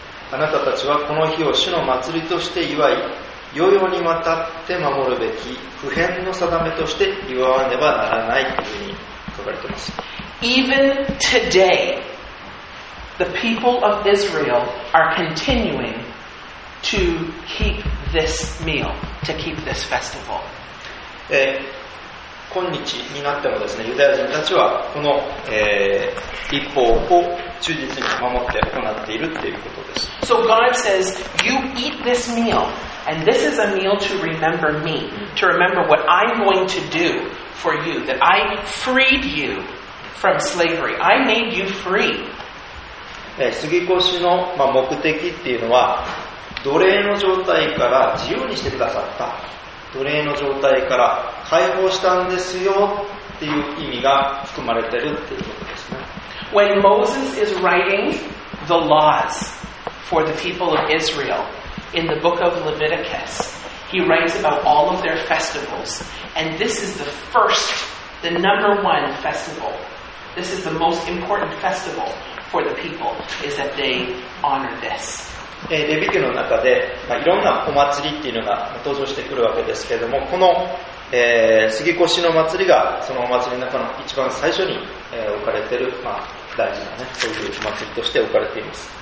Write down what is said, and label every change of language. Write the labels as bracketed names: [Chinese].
[Japanese] あなたたちはこの日を主の祭りとして祝い、世々にわたって守るべき不変の定めとして祝わねばならないというふうに書かれています。 [English] Even today, the people of Israel are continuing to keep this meal, to keep this festival. [Japanese] 今日になってもですね、ユダヤ人たちはこの、立法を忠実に守って行っているということです。 [English] So God says, you eat this meal. And this is a meal to remember me, to remember what I'm going to do for you, that I freed you from slavery. I made you free. [Japanese] 杉越の目的っていうのは、奴隷の状態から自由にしてくださった。奴隷の状態から解放したんですよっていう意味が含まれてるっていうことですね。 [English] When Moses is writing the laws for the people of Israel in the book of Leviticus, he writes about all of their festivals. And this is the first, the number one festival. This is the most important festival for the people, is that they honor this. [Japanese] レビ記の中で、まあ、いろんなお祭りっていうのが登場してくるわけですけれども、この、杉越の祭りがそのお祭りの中の一番最初に、置かれてる、まあ、大事な、ね、そういうお祭りとして置かれています。